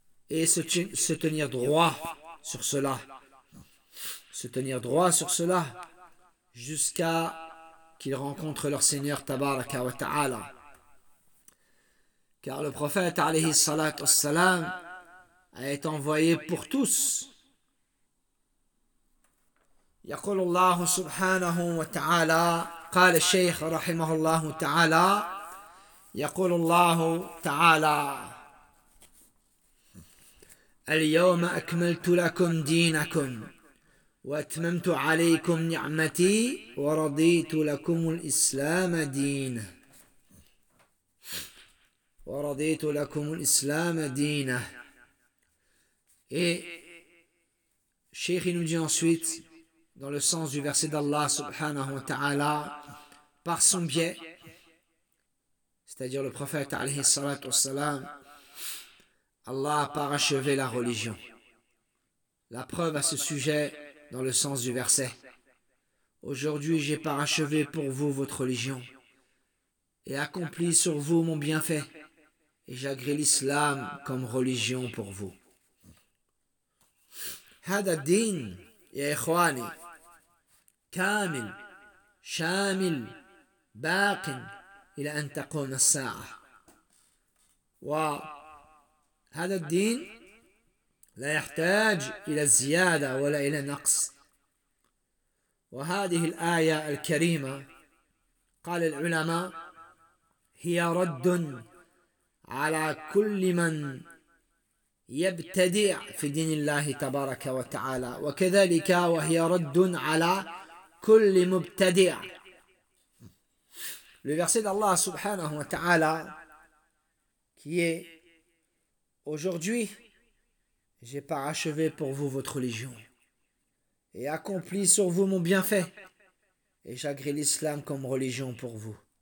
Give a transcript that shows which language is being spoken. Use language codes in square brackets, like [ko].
[fr] Et se tenir droit sur cela, jusqu'à qu'ils rencontrent leur Seigneur tabaraka wa ta'ala. Car le prophète alayhi salat wa salam a été envoyé pour tous. [ar] يقول الله سبحانه وتعالى قال الشيخ رحمه الله تعالى يقول الله تعالى اليوم أكملت لكم دينكم وأتممت عليكم نعمتي ورضيت لكم الإسلام دينا ورضيت لكم الإسلام دينا. [fr] Et الشيخ nous dit ensuite, dans le sens du verset d'Allah subhanahu wa ta'ala, par son biais, c'est-à-dire le prophète alayhi salat wa salam, Allah a parachevé la religion. La preuve à ce sujet, dans le sens du verset: aujourd'hui j'ai parachevé pour vous votre religion et accompli sur vous mon bienfait, et j'agrée l'islam comme religion pour vous. [ar] Hada din ya ikhwani كامل شامل باق إلى أن تقوم الساعة. وهذا الدين لا يحتاج إلى زيادة ولا إلى نقص. وهذه الآية الكريمة قال العلماء هي رد على كل من يبتدع في دين الله تبارك وتعالى، وكذلك وهي رد على كُلِّ مُبْتَدِعَ. [fr] Le verset d'Allah subhanahu wa ta'ala qui est aujourd'hui, j'ai parachevé pour vous votre religion et accompli sur vous mon bienfait et j'agrée l'islam comme religion pour vous.